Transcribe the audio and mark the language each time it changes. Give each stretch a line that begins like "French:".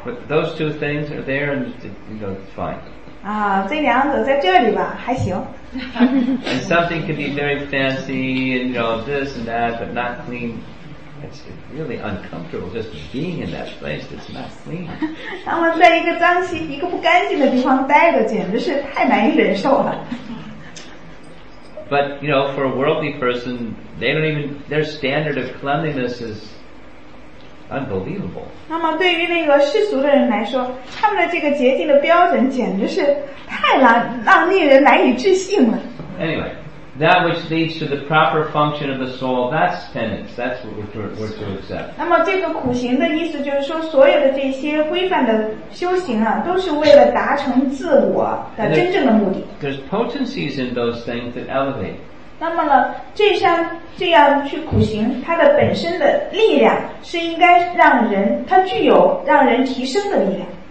English: But those two things are there, and you know, it's fine.
Chinese: 啊，这两者在这里吧，还行。
English: And something can be very fancy, and you know this and that, but not clean. It's really uncomfortable just being in that place. It's not clean.
Chinese: 那么在一个脏兮一个不干净的地方待着简直是太难以忍受了。
English: But you know, for a worldly person, they don't even, their standard of cleanliness is unbelievable.
Chinese: 那么对于那个世俗的人来说，他们的这个洁净的标准简直是太让令人难以置信了。
English: Anyway. That which leads to the proper function of the soul, that's penance. That's what we're to accept.
Chinese: 那么这个苦行的意思就是说，所有的这些规范的修行啊，都是为了达成自我的真正的目的。
English: There's potencies in those things that elevate.
Chinese: 那么呢，这样去苦行，它的本身的力量是应该让人，它具有让人提升的力量。